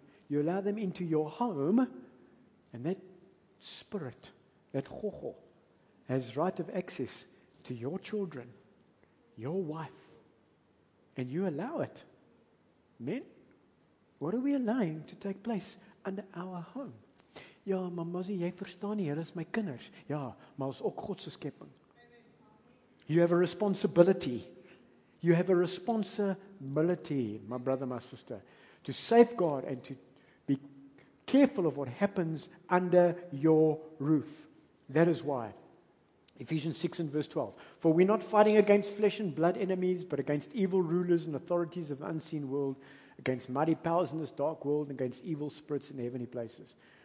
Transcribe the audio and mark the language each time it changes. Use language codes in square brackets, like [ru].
[en] You allow them into your home, and that spirit, that chocho, has right of access to your children, your wife, and you allow it. Men, what are we allowing to take place under our home? [af] Ja, maar mosie, jy verstaan nie, hulle is my kinders. Ja, maar ons ook God se skepping. [en] You have a responsibility. You have a responsibility, my brother, my sister, to safeguard and to be careful of what happens under your roof. That is why. Ephesians 6 and verse 12. For we're not fighting against flesh and blood enemies, but against evil rulers and authorities of the unseen world, against mighty powers in this dark world, and against evil spirits in heavenly places.